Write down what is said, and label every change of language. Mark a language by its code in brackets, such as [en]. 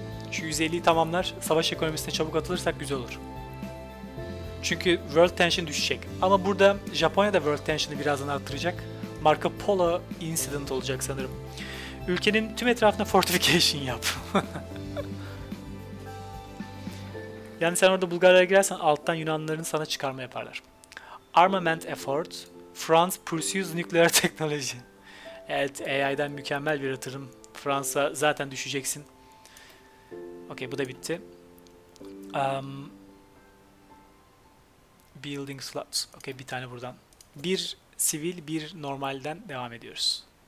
[tr] Şu 150'yi tamamlar, savaş ekonomisine çabuk atılırsak güzel olur. Çünkü world tension düşecek. Ama burada Japonya da world tension'ı birazdan arttıracak. Marco Polo incident olacak sanırım. Ülkenin tüm etrafına fortification yap. Yani sen orada Bulgarlara girersen alttan Yunanlıların sana çıkarma yaparlar. [en] Armament effort, France pursues nuclear technology. [tr] Evet, AI'den mükemmel bir hatırım. Fransa zaten düşeceksin. Okey, bu da bitti. Building slots. Okey, bir tane buradan. Bir sivil, bir normalden devam ediyoruz.